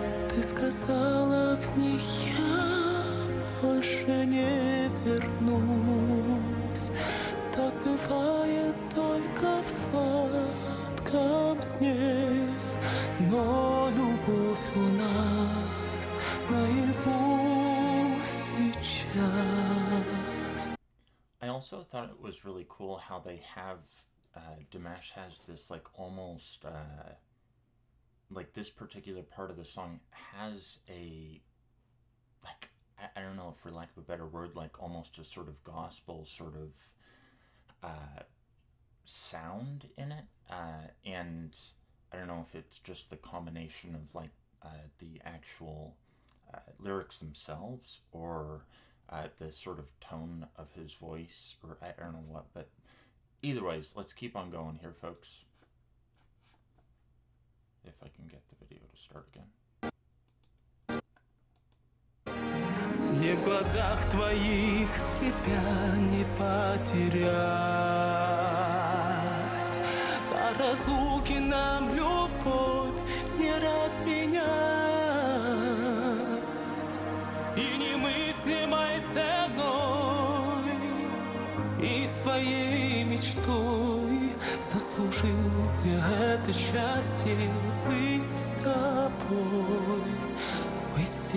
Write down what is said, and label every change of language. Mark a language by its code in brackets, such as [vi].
[ru] Ты сказала мне, я больше не вернусь. Так бывает только в сладком сне. Но любовь у нас наяву сейчас. [en] I also thought it was really cool how they have, Dimash has this like almost, like this particular part of the song has a, like, I don't know, for lack of a better word, like almost a sort of gospel sort of sound in it. And I don't know if it's just the combination of like the actual lyrics themselves or the sort of tone of his voice, or I don't know what, but either ways, let's keep on going here, folks. If I can get the video to start again. [ru] Ни в глазах твоих себя не потерять. По разлуке нам любовь не разменять. И не мы снимай ценой и своей мечтой заслужил ты это счастье быть с тобой.